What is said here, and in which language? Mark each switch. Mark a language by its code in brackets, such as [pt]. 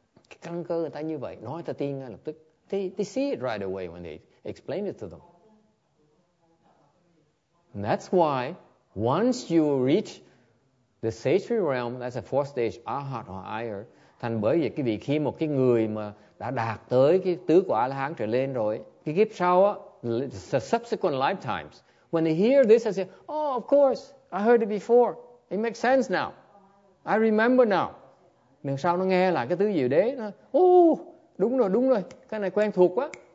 [vi] Cái căn cơ người ta như vậy, nói ta tin ngay lập tức. [en] They see it right away when they explain it to them. And that's why once you reach the sacred realm, that's a fourth stage, arhat or higher. [vi] Thành bởi vì cái vị khi một cái người mà đã đạt tới cái tứ quả la hán trở lên rồi, cái kiếp sau á, [en] the subsequent lifetimes, when they hear this, they say, of course, I heard it before. It makes sense now. I remember now. [vi] Đằng sau nó nghe lại cái tứ diệu đế, nó, đúng rồi, cái này quen thuộc quá.